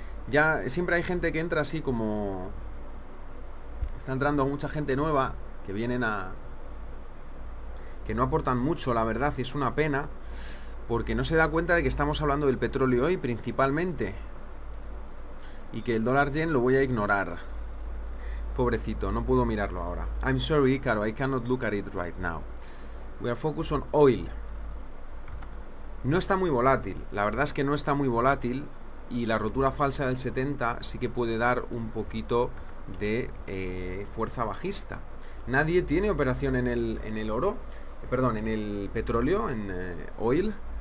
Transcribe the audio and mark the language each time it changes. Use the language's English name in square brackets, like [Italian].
[Spanish] Ya siempre hay gente que entra así como está entrando mucha gente nueva que vienen a que no aportan mucho, la verdad, y es una pena porque no se da cuenta de que estamos hablando del petróleo hoy principalmente y que el dólar yen lo voy a ignorar. Pobrecito, no puedo mirarlo ahora. [English] I'm sorry, Icaro, I cannot look at it right now. We are focused on oil. [Spanish] No está muy volátil. La verdad es que no está muy volátil y la rotura falsa del 70 sí que puede dar un poquito de fuerza bajista. Nadie tiene operación en el oro, perdón, en el petróleo, en oil.